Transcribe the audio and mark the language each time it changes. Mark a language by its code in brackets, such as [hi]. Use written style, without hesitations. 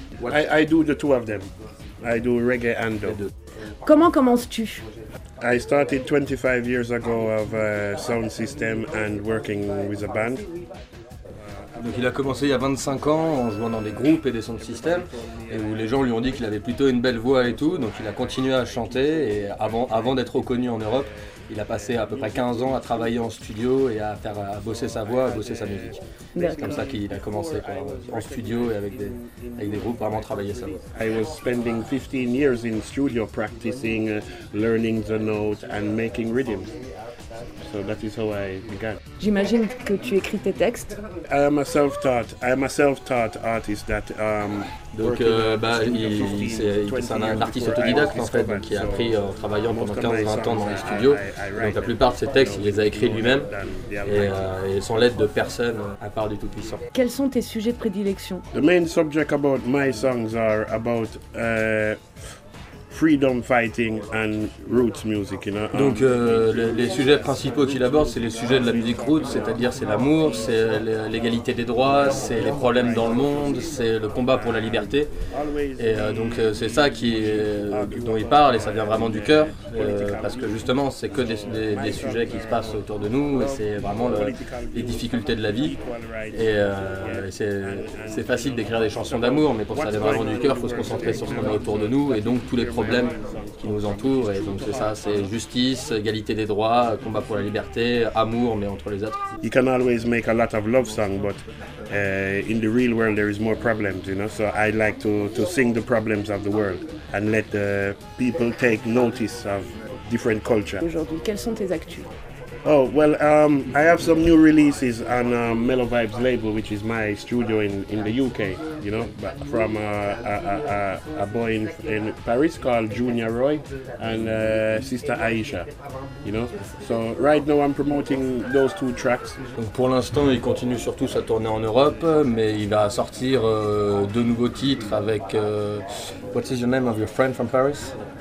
[en] I do the two of them. I do reggae and dub. [fr] Comment commences-tu ? [en] I started 25 years ago of a sound system and working with a band. [fr] Donc il a commencé il y a 25 ans en jouant dans des groupes et des sound systems et où les gens lui ont dit qu'il avait plutôt une belle voix et tout, donc il a continué à chanter et avant d'être reconnu en Europe, il a passé à peu près 15 ans à travailler en studio et à bosser sa voix, à bosser sa musique. C'est comme ça qu'il a commencé en studio et avec des groupes, vraiment travailler sa voix. [en] I was spending 15 years in studio practicing, learning the notes and making rhythms. So that is how I began. [fr] J'imagine que tu écris tes textes. [en] I am a self-taught artist that [fr] c'est un artiste autodidacte en fait, qui a appris en travaillant pendant 15-20 ans dans les studios. Donc la plupart de ses textes, il les a écrits lui-même et sans l'aide de personne à part du Tout-Puissant. Quels sont tes sujets de prédilection? [en] The main subject about my songs are about freedom fighting and roots music, you know. [fr] Donc les sujets principaux qu'il aborde, c'est les sujets de la musique roots, c'est-à-dire c'est l'amour, c'est l'égalité des droits, c'est les problèmes dans le monde, c'est le combat pour la liberté. Et donc c'est ça dont il parle et ça vient vraiment du cœur, parce que justement c'est que des sujets qui se passent autour de nous et c'est vraiment les difficultés de la vie. Et c'est facile d'écrire des chansons d'amour, mais pour ça vient vraiment du cœur, il faut se concentrer sur ce qu'on a autour de nous et donc tous les problèmes qui nous entourent, et donc c'est ça, c'est justice, égalité des droits, combat pour la liberté, amour, mais entre les êtres. [en] You can always make a lot of love song, but in the real world there is more problems, you know, so I like to sing the problems of the world and let the people take notice of different cultures. [fr] Aujourd'hui, quelles sont tes actus? [en] Oh, well, I have some new releases on Mellow Vibes label, which is my studio in the UK, you know, from a boy in Paris called Junior Roy and Sister Aisha, you know. So right now I'm promoting those two tracks. [fr] Donc pour l'instant, il continue surtout sa tournée en Europe, mais il va sortir deux nouveaux titres avec... [en] What is your name of your friend from Paris?